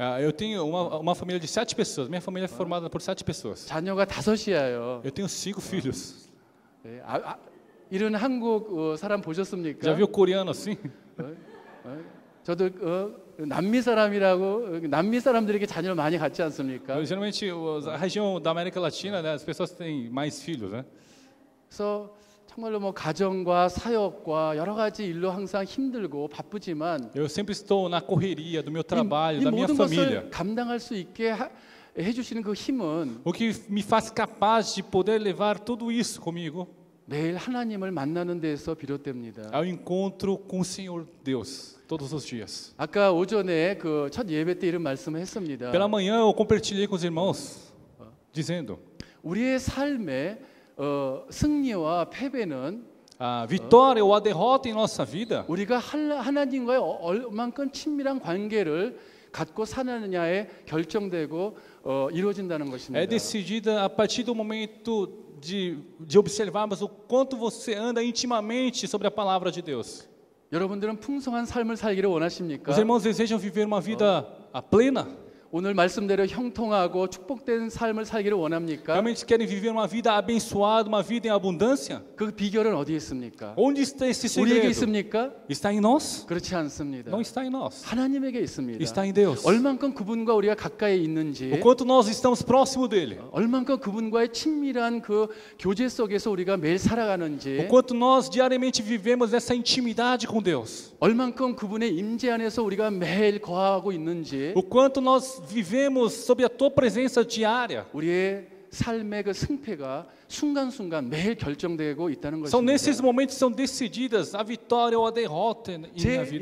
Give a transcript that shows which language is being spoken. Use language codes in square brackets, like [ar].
[pt] 아, eu tenho uma família de 7 pessoas. Minha família é formada por 7 pessoas. [ko] 자녀가 5이에요. [pt] Eu tenho 5 filhos. [ko] 네. 이런 한국 사람 보셨습니까? [pt] Já viu coreano assim? [ko] 저도 남미 사람이라고 남미 사람들에게 자녀를 많이 갖지 않습니까? [pt] Geralmente a região da América Latina, né, as pessoas têm mais filhos, né? [ko] 그래서 정말로 뭐 가정과 사역과 여러 가지 일로 항상 힘들고 바쁘지만 [pt] Eu sempre estou na correria do meu trabalho, da minha família. [ko] 감당할 수 있게 해 주시는 그 힘은 [pt] O que me faz capaz de poder levar tudo isso comigo? [ko] 매일 하나님을 만나는 데서 비롯됩니다. [pt] É o encontro com o Senhor Deus. Todos os dias. [ko] 아까 오전에 그 첫 예배 때 이런 말씀을 했습니다. [pt] Pela manhã eu compartilhei com os irmãos dizendo [ko] 우리의 삶의 승리와 패배는 [pt] a vitória ou a derrota em nossa vida [ko] 우리가 하나님과의 얼만큼 친밀한 관계를 갖고 사느냐에 결정되고 이루어진다는 것입니다. [pt] É decidida a partir do momento de observarmos o quanto você anda intimamente sobre a palavra de Deus. [ko] 여러분들은 풍성한 삶을 살기를 원하십니까? [pt] Os irmãos desejam viver uma vida plena? [ko] 오늘 말씀대로 형통하고 축복된 삶을 살기를 원합니까? [pt] Realmente querem viver uma vida abençoada, uma vida em abundância? [ko] 그 비결은 어디에 있습니까? [pt] Onde está esse segredo? [ko] 우리에게 있습니까? [pt] Está em nós? [ko] 그렇지 않습니다. [pt] Não está em nós. [ko] 하나님에게 있습니다. [pt] Está em Deus. [ko] 얼만큼 그분과 우리가 가까이 있는지. [pt] O quanto nós estamos próximo dele. [ko] 얼만큼 그분과의 친밀한 그 교제 속에서 우리가 매일 살아가는지. [pt] O quanto nós diariamente vivemos essa intimidade com Deus. [ko] 얼만큼 그분의 임재 안에서 우리가 매일 거하고 있는지. [pt] O quanto nós vivemos sob a tua presença diária. [ko] 우리의 삶의 그 승패가 순간순간 매일 결정되고 있다는 것이. [pt] São nesses momentos são decididas a vitória ou a derrota em minha vida espiritual.